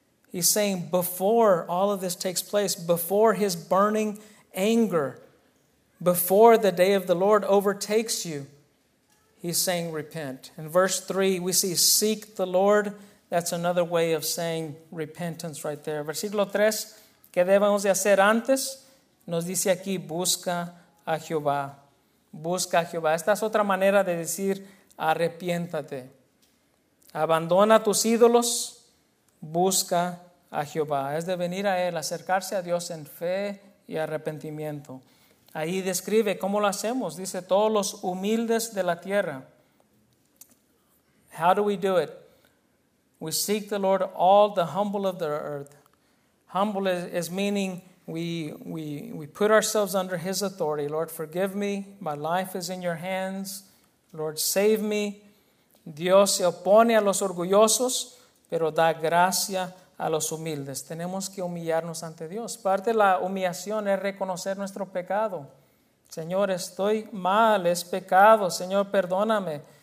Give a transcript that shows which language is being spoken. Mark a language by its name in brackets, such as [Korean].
[English] He's saying before all of this takes place, before his burning anger, before the day of the Lord overtakes you, he's saying repent. In verse 3, we see seek the Lord. That's another way of saying repentance right there. [Spanish] Versículo 3, ¿qué debemos de hacer antes? Nos dice aquí, busca a Jehová. Busca a Jehová. Esta es otra manera de decir arrepiéntate. Abandona tus ídolos, busca a Jehová. Es de venir a Él, acercarse a Dios en fe y arrepentimiento. Ahí describe cómo lo hacemos. Dice, todos los humildes de la tierra. [English] How do we do it? We seek the Lord, all the humble of the earth. Humble is meaning we put ourselves under His authority. Lord, forgive me. My life is in your hands. Lord, save me. [Spanish] Dios se opone a los orgullosos, pero da gracia a los humildes. Tenemos que humillarnos ante Dios. Parte de la humillación es reconocer nuestro pecado. Señor, estoy mal, es pecado. Señor, perdóname.